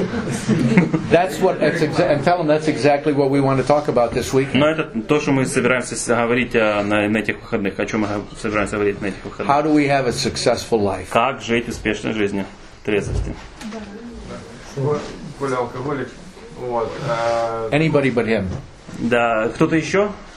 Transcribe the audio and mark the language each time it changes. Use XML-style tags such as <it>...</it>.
<en>That's what. And tell them that's exactly what we want to talk about this week.</en> <ru>Но это то, что мы собираемся говорить на этих выходных. О чем мы собираемся говорить на этих выходных?</ru> <en>How do we have a successful life?</en> <ru>Как жить успешной жизнью? Трезвости. Коля алкоголик. Вот.</ru> <en>Anybody but him.</en> <ru>Да. Кто-то еще?</ru>